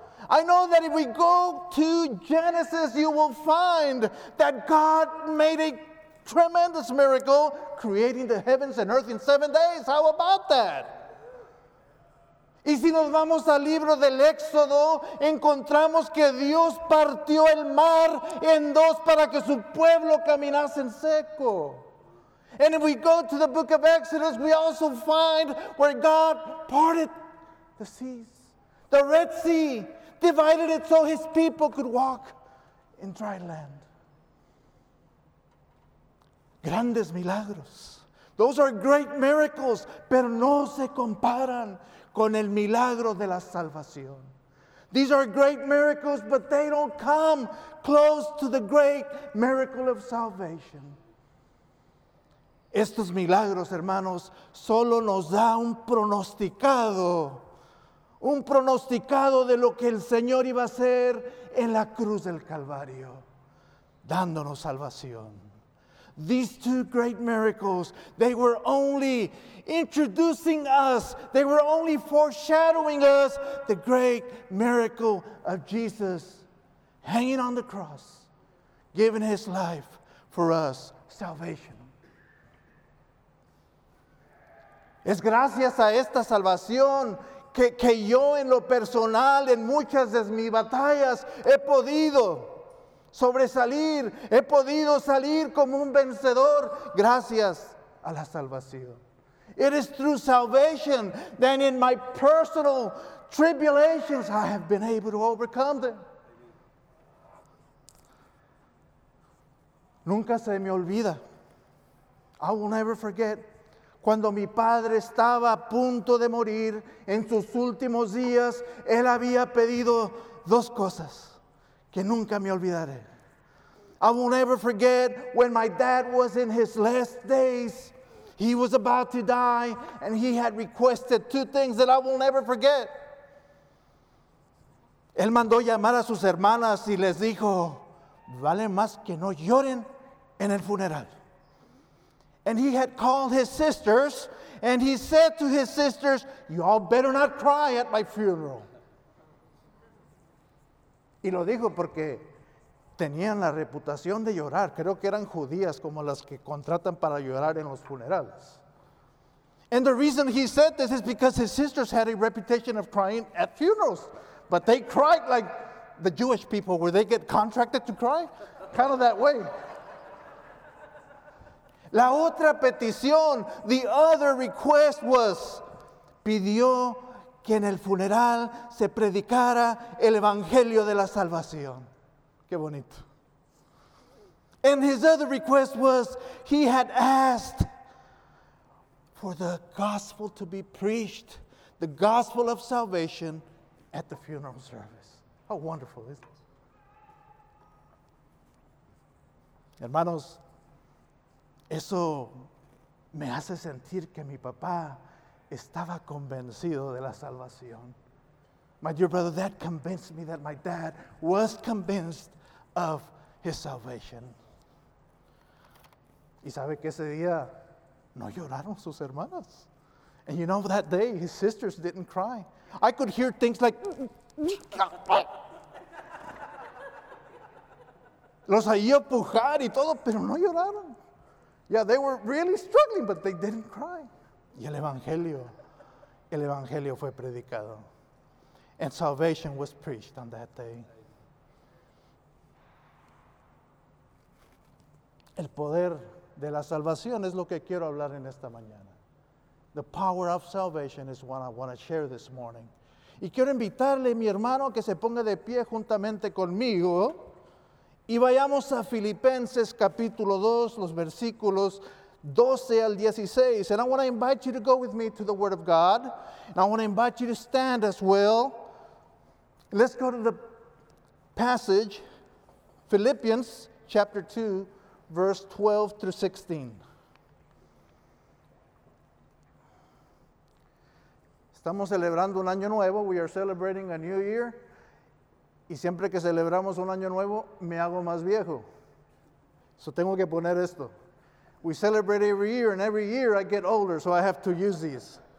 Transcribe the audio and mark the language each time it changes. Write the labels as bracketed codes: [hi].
[en] I know that if we go to Genesis, you will find that God made a tremendous miracle creating the heavens and earth in 7 days. How about that? [es] Y si nos vamos al libro del Éxodo, encontramos que Dios partió el mar en dos para que su pueblo caminase en seco. [en] And if we go to the book of Exodus, we also find where God parted the seas. The Red Sea divided it so his people could walk in dry land. [es] Grandes milagros. [en] Those are great miracles, [es] pero no se comparan con el milagro de la salvación. [en] These are great miracles, but they don't come close to the great miracle of salvation. [es] Estos milagros, hermanos, solo nos da un pronosticado de lo que el Señor iba a hacer en la cruz del Calvario, dándonos salvación. [en] These two great miracles, they were only introducing us, they were only foreshadowing us, the great miracle of Jesus hanging on the cross, giving his life for us, salvation. [es] Es gracias a esta salvación que yo en lo personal, en muchas de mis batallas, he podido sobresalir, he podido salir como un vencedor gracias a la salvación. [en] It is through salvation that in my personal tribulations I have been able to overcome them. [es] Nunca se me olvida. [en] I will never forget. [es] Cuando mi padre estaba a punto de morir, en sus últimos días, él había pedido dos cosas que nunca me olvidaré. [en] I will never forget when my dad was in his last days. He was about to die, and he had requested two things that I will never forget. [es] Él mandó llamar a sus hermanas y les dijo, vale más que no lloren en el funeral. [en] And he had called his sisters, and he said to his sisters, you all better not cry at my funeral. [es] Y lo dijo porque tenían la reputación de llorar. Creo que eran judías como las que contratan para llorar en los funerales. [en] And the reason he said this is because his sisters had a reputation of crying at funerals. But they cried like the Jewish people, where they get contracted to cry, kind of that way. [es] La otra petición, [en] the other request was, [es] pidió que en el funeral se predicara el evangelio de la salvación. Qué bonito. [en] And his other request was, he had asked for the gospel to be preached, the gospel of salvation, at the funeral service. How wonderful is this? [es] Hermanos, eso me hace sentir que mi papá estaba convencido de la salvación. [en] My dear brother, that convinced me that my dad was convinced of his salvation. [es] Y sabe que ese día no lloraron sus hermanas. [en] And you know, that day, his sisters didn't cry. I could hear things like... [es] Los oí empujar y todo, pero no lloraron. [en] Yeah, they were really struggling, but they didn't cry. [es] Y el Evangelio fue predicado. [en] And salvation was preached on that day. [es] El poder de la salvación es lo que quiero hablar en esta mañana. [en] The power of salvation is what I want to share this morning. [es] Y quiero invitarle, mi hermano, que se ponga de pie juntamente conmigo. Y vayamos a Filipenses capítulo 2, los versículos 12 al 16. [en] And I want to invite you to go with me to the Word of God. And I want to invite you to stand as well. Let's go to the passage, Philippians chapter 2, verse 12 through 16. [es] Estamos celebrando un año nuevo. [en] We are celebrating a new year. [es] Y siempre que celebramos un año nuevo, me hago más viejo. So tengo que poner esto. [en] We celebrate every year, and every year I get older, so I have to use these.